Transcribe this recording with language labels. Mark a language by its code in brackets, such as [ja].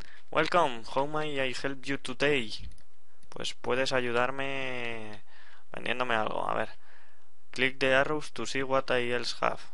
[en] Welcome, how may I help you today? [es] Pues puedes ayudarme vendiéndome algo. A ver. [en] Click the arrows to see what I else have.